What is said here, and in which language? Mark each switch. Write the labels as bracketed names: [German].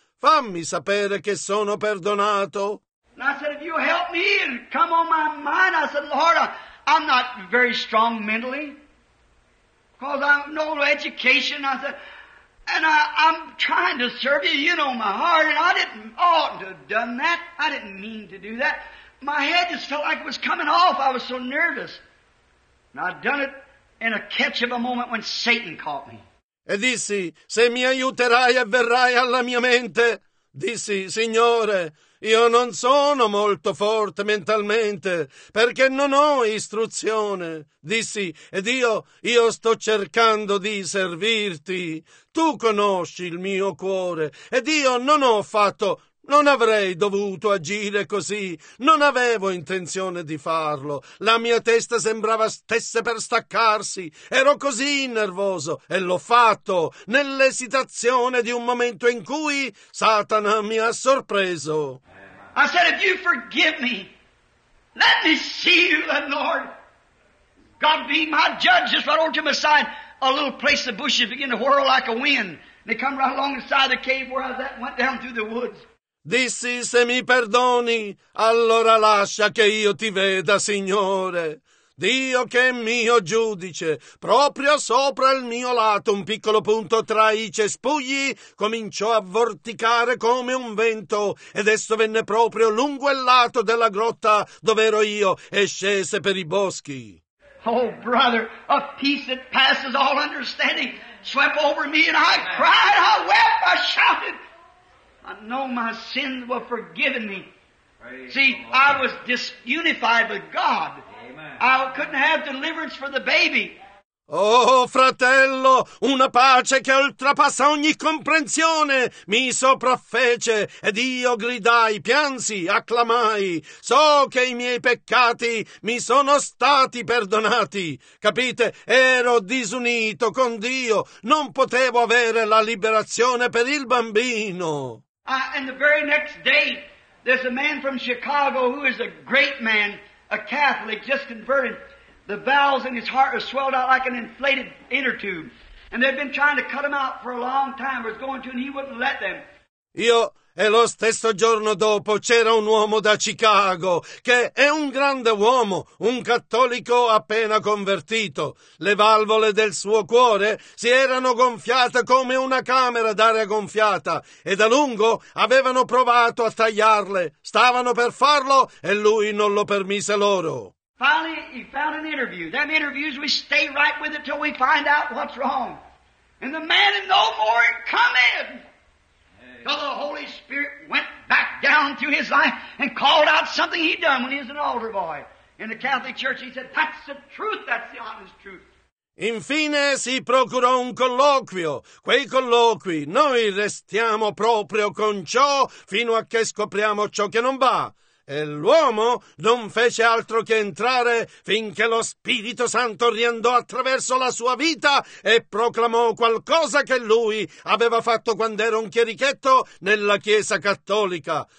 [Italian] Fammi sapere che sono perdonato. [English] And I said, if you help me and come on my mind, I said, Lord, I'm not very strong mentally. Because I have no education. I said, and I'm trying to serve you. You know my heart. And I didn't ought to have done that. I didn't mean to do that. My head just felt like it was coming off. I was so nervous. And I'd done it in a catch of a moment when Satan caught me. [Italian] E dissi, se mi aiuterai e verrai alla mia mente, dissi, Signore, io non sono molto forte mentalmente, perché non ho istruzione. Dissi, ed io sto cercando di servirti. Tu conosci il mio cuore, ed io non ho fatto, non avrei dovuto agire così, non avevo intenzione di farlo. La mia testa sembrava stesse per staccarsi, ero così nervoso e l'ho fatto nell'esitazione di un momento in cui Satana mi ha sorpreso. [English] I said, if you forgive me, let me see you, the Lord. God be my judge. Just right over to my side, a little place the bushes begin to whirl like a wind. They come right along the side of the cave where I was at, went down through the woods. [Italian] Dissi, se mi perdoni, allora lascia che io ti veda, Signore. Dio che è mio giudice, proprio sopra il mio lato, un piccolo punto tra i cespugli, cominciò a vorticare come un vento, ed esso venne proprio lungo il lato della grotta dove ero io, e scese per i boschi. [English] Oh, brother, a peace that passes all understanding swept over me, and I cried, I wept, I shouted. I know my sins were forgiven me. Praise See, Lord. I was disunified with God. Amen. I couldn't have deliverance for the baby. [Italian] Oh, fratello, una pace che oltrepassa ogni comprensione mi sopraffece, ed io gridai, piansi, acclamai. So che i miei peccati mi sono stati perdonati. Capite? Ero disunito con Dio. Non potevo avere la liberazione per il bambino. [English] And the very next day, there's a man from Chicago who is a great man, a Catholic, just converted. The valves in his heart are swelled out like an inflated inner tube. And they've been trying to cut him out for a long time, was going to, and he wouldn't let them. [Italian] Io, e lo stesso giorno dopo, c'era un uomo da Chicago, che è un grande uomo, un cattolico appena convertito. Le valvole del suo cuore si erano gonfiate come una camera d'aria gonfiata, e da lungo avevano provato a tagliarle. Stavano per farlo, e lui non lo permise loro. [English] Finally, he found an interview. Them interviews, we stay right with it till we find out what's wrong. And the man is no more coming. Because the Holy Spirit went back down through his life and called out something he'd done when he was an altar boy in the Catholic Church. He said, that's the truth, that's the honest truth. [Italian] Infine si procurò un colloquio. Quei colloqui, noi restiamo proprio con ciò fino a che scopriamo ciò che non va. E l'uomo non fece altro che entrare finché lo Spirito Santo riandò attraverso la sua vita e proclamò qualcosa che lui aveva fatto quando era un chierichetto nella Chiesa Cattolica.